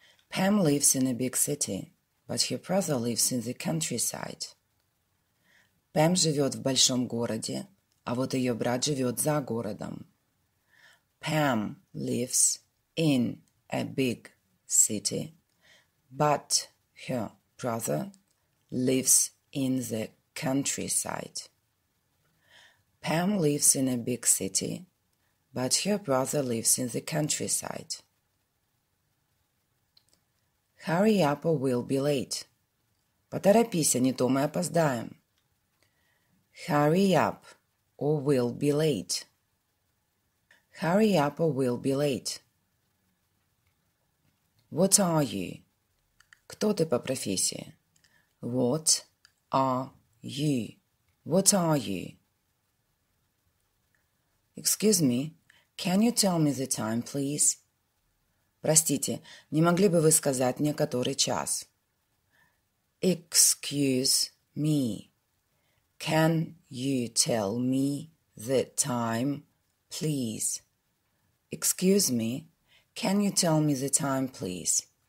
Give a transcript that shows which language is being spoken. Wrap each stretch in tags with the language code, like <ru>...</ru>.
<en>Pam lives in a big city, but her brother lives in the countryside.</en> <ru>Pam живет в большом городе, а вот ее брат живет за городом.</ru> <en>Pam lives in a big city, but her brother lives in the countryside. Pam lives in a big city, but her brother lives in the countryside. Hurry up or we'll be late.</en> <ru>Поторопись, а не то мы опоздаем.</ru> <en>Hurry up or we'll be late. Hurry up or we'll be late. What are you?</en> <ru>Кто ты по профессии?</ru> <en>What are you? What are you? Excuse me, can you tell me the time, please?</en> <ru>Простите, не могли бы вы сказать мне, который час?</ru> <en>Excuse me. Can you tell me the time, please? Excuse me. Can you tell me the time, please?</en>